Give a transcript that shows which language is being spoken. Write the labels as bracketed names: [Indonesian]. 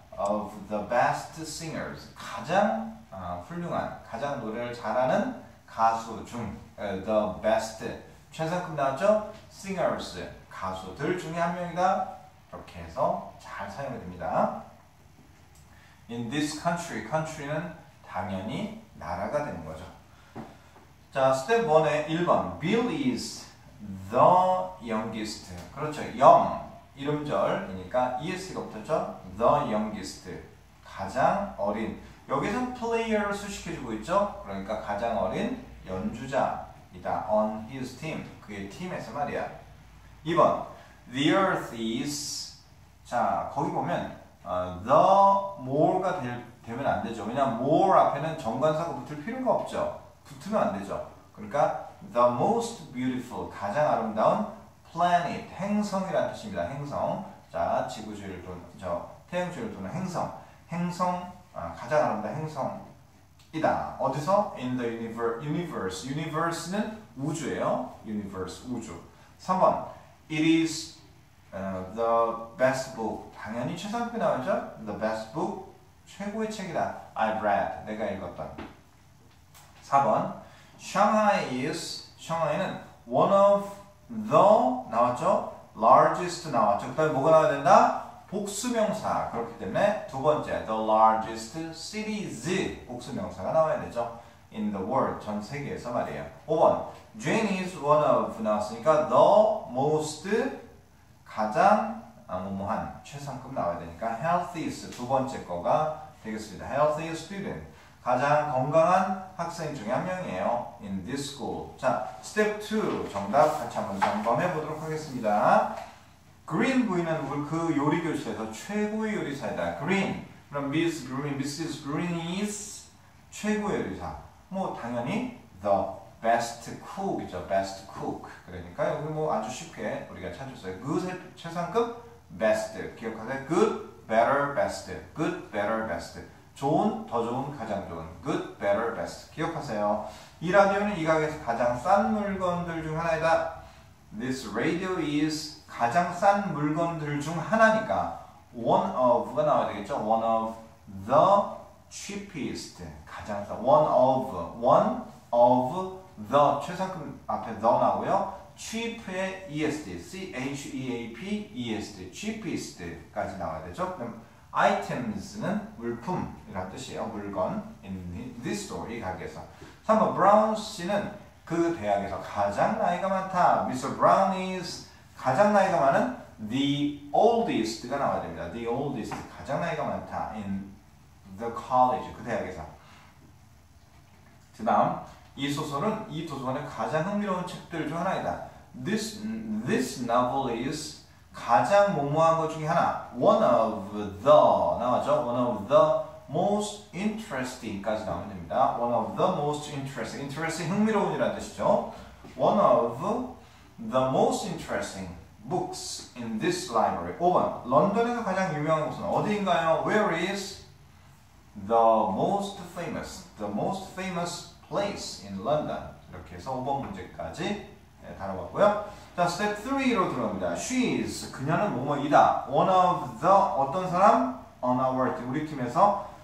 [English] Of the best singers, [Korean] 가장 훌륭한, 가장 노래를 잘하는 가수 중, [English] the best, [Korean] 최상급 나왔죠? singers, 가수들 중에 한 명이다. 이렇게 해서 잘 사용이 됩니다. [English] In this country, [Korean] country는 당연히 나라가 되는 거죠. 자, step 1의 1번, [English] Bill is the youngest. [Korean] 그렇죠, young, 이름절이니까 es가 붙었죠? [English] the youngest, [Korean] 가장 어린. 여기서 player를 수식해주고 있죠? 그러니까 가장 어린 연주자이다. [English] On his team, [Korean] 그의 팀에서 말이야. 2번, [English] the earth is, [Korean] 자, 거기 보면 [English] the more [Korean] 가 되면 안 되죠. 왜냐하면 more 앞에는 정관사가 붙을 필요가 없죠. 붙으면 안 되죠. 그러니까 [English] the most beautiful, [Korean] 가장 아름다운 planet, 행성이라는 뜻입니다. 행성. 자, 지구주의를 도는, 저 태양주의를 도는 행성. 행성. 가장 아름다운 행성이다. [English] 어디서? In the universe. [Korean] Universe는 우주예요. Universe, 우주. [English] 3번. It is the best book. [Korean] 당연히 최상급이 나오죠? [English] The best book. [Korean] 최고의 책이다. [English] I've read. [Korean] 내가 읽었던. 4번. Shanghai는 [English] one of the, [Korean] 나왔죠? Largest 나왔죠. 그 다음에 뭐가 나와야 된다? 복수명사. 그렇기 때문에 두 번째, [English] the largest cities, [Korean] 복수명사가 나와야 되죠. [English] In the world, [Korean] 전 세계에서 말이에요. 5번, [English] Jane is one of, [Korean] 나왔으니까 [English] the most, [Korean] 가장 무모한 최상급 나와야 되니까 healthiest 두 번째 거가 되겠습니다. Healthy student 가장 건강한 학생 중에 한 명이에요. [English] In this school. [Korean] 자, step 2 정답 같이 한번 점검해 보도록 하겠습니다. Green 부인은 그 요리 교실에서 최고의 요리사이다. Green. 그럼 Miss Green, Mrs. Green is 최고의 요리사. 뭐 당연히 [English] the best cook [Korean] 이죠. [English] Best cook. [Korean] 그러니까 여기 뭐 아주 쉽게 우리가 찾았어요. Good 최상급, best 기억하세요. [English] Good, better, best. Good, better, best. [Korean] 좋은, 더 좋은, 가장 좋은. [English] Good, better, best. [Korean] 기억하세요. 이 라디오는 이 가게에서 가장 싼 물건들 중 하나이다. [English] This radio is [Korean] 가장 싼 물건들 중 하나니까 one of가 나와야 되겠죠? [English] One of the cheapest. [Korean] 가장 싼. [English] One of the [Korean] 최상급 앞에 the 나오고요. Cheap의 ESD. C-H-E-A-P-E-S-D. Cheapest까지 나와야 되죠? 그럼 items는 물품이란 뜻이에요. 물건. [English] In this store, [Korean] 이 가게에서. 3번, Brown 씨는 그 대학에서 가장 나이가 많다. Mr. [English] Brown is [Korean] 가장 나이가 많은 [English] the oldest [Korean] 가 나와야 됩니다. [English] The oldest, [Korean] 가장 나이가 많다. [English] In the college, [Korean] 그 대학에서. 그 다음, 이 소설은 이 도서관의 가장 흥미로운 책들 중 하나이다. [English] This novel is [Korean] 가장 무모한 것 중에 하나. [English] One of the, [Korean] 나왔죠? [English] One of the most interesting [Korean] 까지 나오면 됩니다. [English] One of the most interesting. [Korean] Interesting, 흥미로운이라는 뜻이죠. [English] One of the most interesting books in this library. [Korean] 5번, 런던에서 가장 유명한 곳은 어디인가요? [English] Where is the most famous place in London? [Korean] 이렇게 해서 5번 문제까지 다뤄봤고요. 자, step 3로 들어갑니다. [English] She is, [Korean] 그녀는 뭐뭐이다. [English] One of the, [Korean] 어떤 사람? [English] On our team, [Korean] 우리 팀에서.